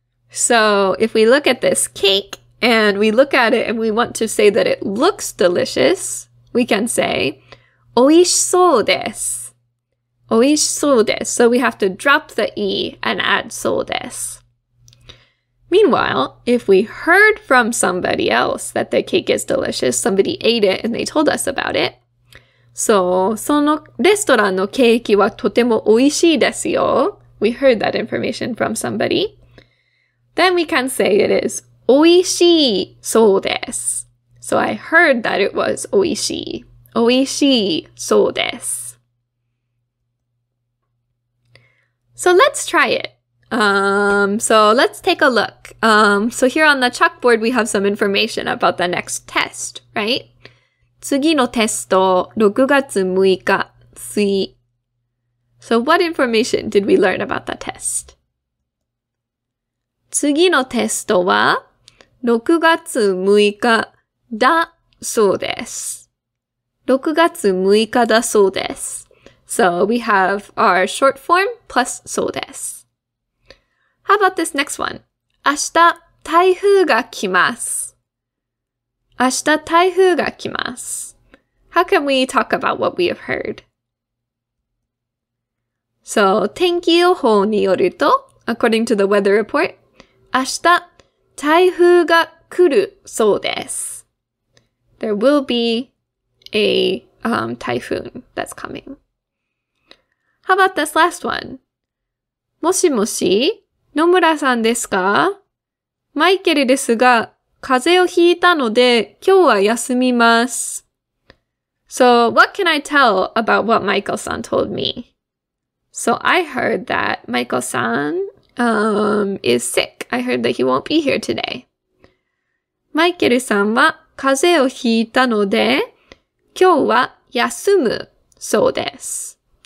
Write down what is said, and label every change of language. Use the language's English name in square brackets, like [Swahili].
[English] So if we look at this cake, and we look at it and we want to say that it looks delicious, we can say, [Japanese] おいしそうです。おいしそうです。 [English] So we have to drop the e and add そうです。 Meanwhile, if we heard from somebody else that the cake is delicious, somebody ate it and they told us about it. [Japanese] So, そのレストランのケーキはとてもおいしいですよ. [English] We heard that information from somebody. Then we can say it is [Japanese] おいしいそうです. [English] So I heard that it was oishii. Oishii, そうです。 So let's try it. So let's take a look. So here on the chalkboard, we have some information about the next test, right? [Japanese] 次のテスト、6月6日、水。 [English] So what information did we learn about the test? [Japanese] 次のテストは6月6日だそうです。 6月6日だそうです。 [English] So we have our short form plus そうです。How about this next one? [Japanese] 明日台風が来ます。明日台風が来ます。 [English] How can we talk about what we have heard? So, [Japanese] 天気予報によると、 [English] according to the weather report, [Japanese] 明日台風が来るそうです。 [English] There will be a typhoon that's coming. How about this last one? [Japanese] もしもし、野村さんですか？マイケルですが、風邪をひいたので今日は休みます。 [English] So, what can I tell about what Michael-san told me? So, I heard that Michael-san, is sick. I heard that he won't be here today. [Japanese] Michael-san は風邪をひいたので、今日は休むそうです。